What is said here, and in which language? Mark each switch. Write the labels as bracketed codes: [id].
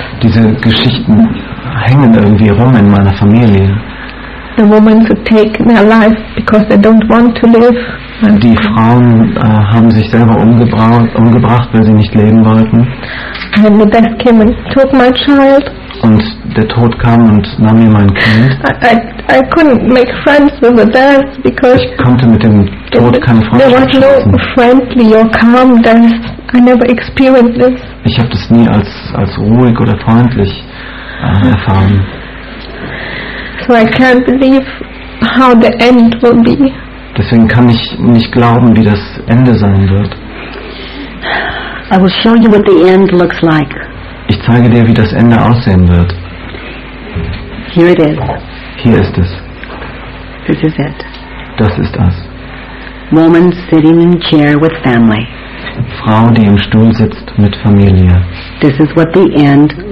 [de] Diese Geschichten hängen irgendwie rum in meiner Familie. [en] The women who take their life because they don't want to live. [de] Die Frauen haben sich selber umgebracht, weil sie nicht leben wollten. [en] And the death came and took my child. [de] Und der Tod kam und nahm mir mein Kind. [en] I couldn't make friends with the death because [de] ich konnte mit dem Tod keine Freundschaft schließen. [en] There was no friendly or calm death. I never experienced this. [de] Ich habe das nie als ruhig oder freundlich erfahren. [en] So I can't believe how the end will be. [de] Deswegen kann ich nicht glauben, wie das Ende sein wird. [en] I will show you what the end looks like. [de] Ich zeige dir, wie das Ende aussehen wird. [en] Here it is. [de] Hier ist es. [en] This is it. [de] Das ist es. [en] Woman sitting in chair with family. [de] Frau, die im Stuhl sitzt mit Familie. [en] This is what the end looks